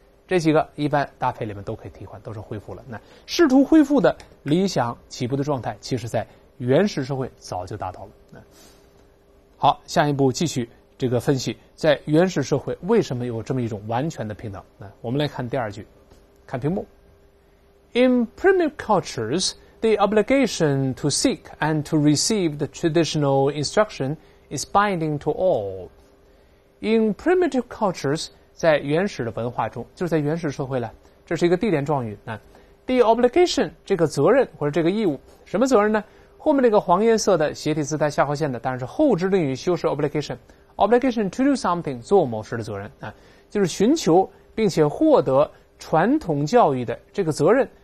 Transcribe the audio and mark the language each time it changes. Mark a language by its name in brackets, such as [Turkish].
[Chinese] 这几个一般搭配里面都可以替换，都是恢复了。那试图恢复的理想起步的状态，其实在原始社会早就达到了。好，下一步继续这个分析，在原始社会为什么有这么一种完全的平等？那我们来看第二句，看屏幕。 [English] In primitive cultures, the obligation to seek and to receive the traditional instruction is binding to all. In primitive cultures. [Chinese] 在原始的文化中，就是在原始社会了，这是一个地点状语。那 the obligation 这个责任或者这个义务，什么责任呢？后面那个黄颜色的斜体字带下划线的，当然是后置定语修饰 obligation。 [English] obligation to do something [Chinese] 做某事的责任啊，就是寻求并且获得传统教育的这个责任，